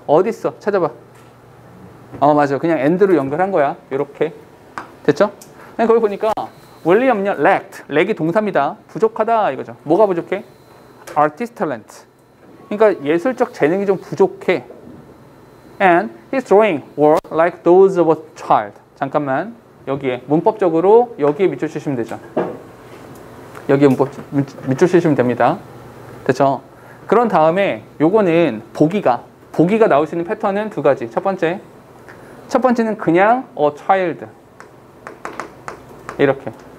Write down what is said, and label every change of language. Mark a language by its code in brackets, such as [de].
[ko] 어디 있어? 찾아봐. 어 맞아. 그냥 end로 연결한 거야. 이렇게 됐죠? 거기 보니까 William은요 lacked. lack이 동사입니다. 부족하다 이거죠. 뭐가 부족해? [en] artist talent. [ko] 그러니까 예술적 재능이 좀 부족해. [en] And his drawing were like those of a child. [ko] 잠깐만. 여기에 문법적으로 여기에 밑줄 치시면 되죠. 여기에 문법 밑줄 치시면 됩니다. 됐죠? 그런 다음에 요거는 보기가 나올 수 있는 패턴은 두 가지. 첫 번째는 그냥 a child. 이렇게.